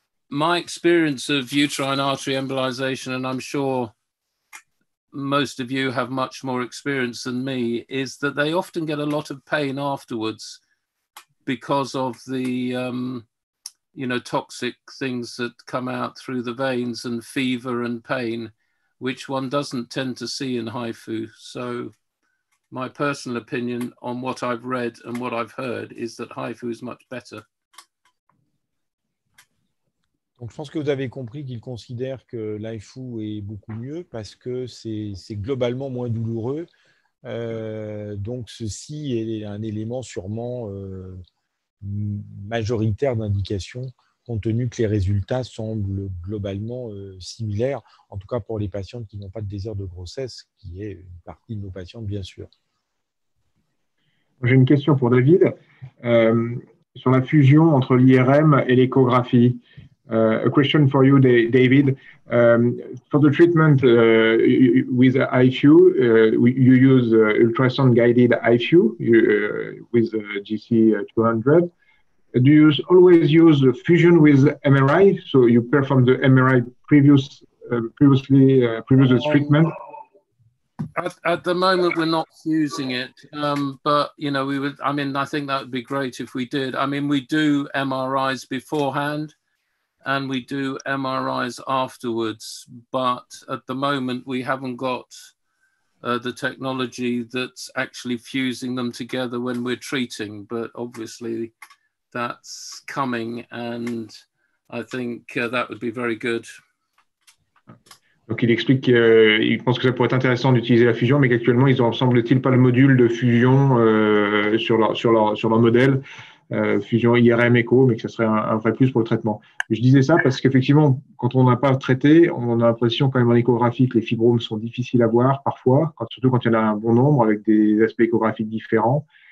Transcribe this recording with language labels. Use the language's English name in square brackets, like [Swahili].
[English] My experience of uterine artery embolization, and I'm sure most of you have much more experience than me, is that they often get a lot of pain afterwards because of the toxic things that come out through the veins and fever and pain, which one doesn't tend to see in HIFU. So my personal opinion on what I've read and what I've heard is that HIFU is much better. [French] Donc, je pense que vous avez compris qu'il considère que l'HIFU est beaucoup mieux parce que c'est globalement moins douloureux. Donc, ceci est un élément sûrement majoritaire d'indication, compte tenu que les résultats semblent globalement similaires, en tout cas pour les patientes qui n'ont pas de désir de grossesse, qui est une partie de nos patientes, bien sûr. J'ai une question pour David sur la fusion entre l'IRM et l'échographie. [English] A question for you, David. For the treatment with IFU, you use ultrasound-guided IFU with GC 200. Do you always use fusion with MRI? So you perform the MRI previous treatment? At the moment, we're not using it. But, you know, I think that would be great if we did. I mean, we do MRIs beforehand and we do MRIs afterwards. But at the moment, we haven't got the technology that's actually fusing them together when we're treating. But obviously, that's coming, and I think that would be very good. [French] Donc, il explique qu'il pense que ça pourrait être intéressant d'utiliser la fusion, mais qu'actuellement, ils n'ont, semble-t-il, pas le module de fusion sur leur modèle, fusion IRM écho, mais que ce serait un vrai plus pour le traitement. Je disais ça parce qu'effectivement, quand on n'a pas traité, on a l'impression quand même en échographie que les fibromes sont difficiles à voir parfois, surtout quand il y en a un bon nombre avec des aspects échographiques différents.